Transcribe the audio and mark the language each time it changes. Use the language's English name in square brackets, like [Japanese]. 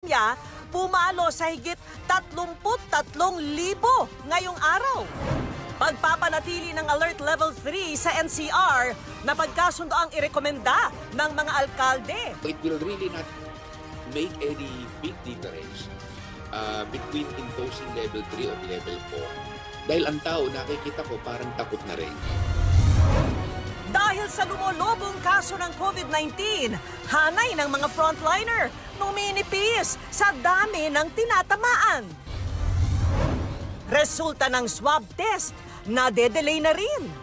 [Filipino] niya pumalo sa higit 33,000 ngayong araw. Pagpapanatili ng Alert Level 3 sa NCR na pagkasundo ang irekomenda ng mga alkalde. [English] It will really not make any big difference between imposing Level 3 or Level 4. [Filipino] Dahil ang tao, nakikita ko, parang takot na rin. Dahil sa lumulubong kaso ng COVID-19, hanay ng mga frontliner, numinipis sa dami ng tinatamaan. Resulta ng swab test, nadedelay na rin.